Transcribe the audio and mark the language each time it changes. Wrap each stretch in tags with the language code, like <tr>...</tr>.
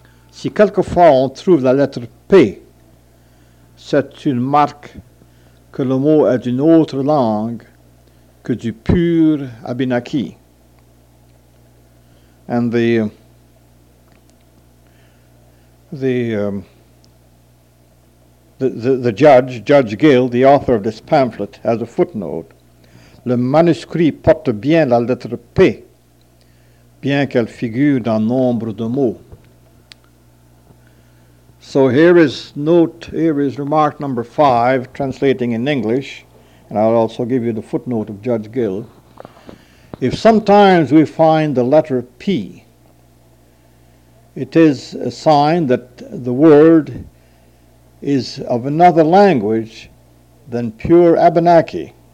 <fr>Si quelquefois on trouve la lettre P, c'est une marque que le mot est d'une autre langue que du pur Abenaki.</fr> <en>And the judge Gill, the author of this pamphlet, has a footnote.</en> <fr>Le manuscrit porte bien la lettre P, bien qu'elle figure dans nombre de mots.</fr> <en>So here is note, here is remark number 5, translating in English, and I'll also give you the footnote of Judge Gill. If sometimes we find the letter P, it is a sign that the word is of another language than pure Abenaki.</en>